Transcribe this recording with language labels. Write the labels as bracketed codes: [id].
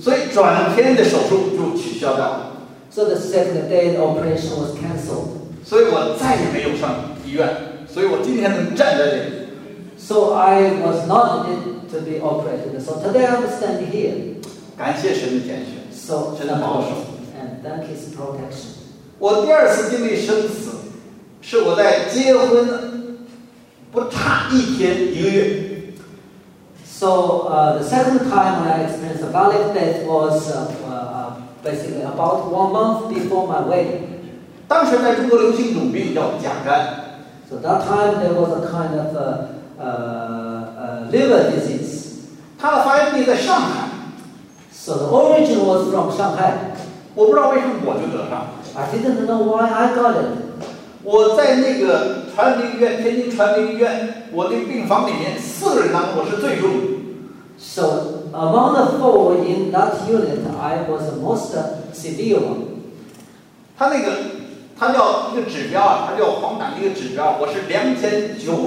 [zh] 所以转天的手术就取消掉了。 [en] So the second day the operation was canceled. [zh] 所以我再也没有上医院，所以我今天能站在这里。 [en] So I was not needed to be operated. So today I'm standing here. [zh] 感谢神的拣选。 [en] So [zh] 真的保守。 [en] And thank His protection. [zh] 我第二次经历生死，是我在结婚不差一天一个月。 [en] So the second time I experienced a valid death was basically about 1 month before my wedding. [zh] 当时在中国流行一种病叫甲肝。 [en] So that time there was a kind of liver disease. [zh] 它的发源地在上海。 [en] So the origin was from 上海。 [zh] 我不知道为什么我就得上。 [en] I didn't know why I got it. [zh] 我在那个传媒医院，天津传媒医院，我的病房里面，四个人当中我是最重。 [en] So among the four in that unit, I was the most severe one. [zh] 他那个，他叫一个指标，他叫黄疸一个指标，我是2984。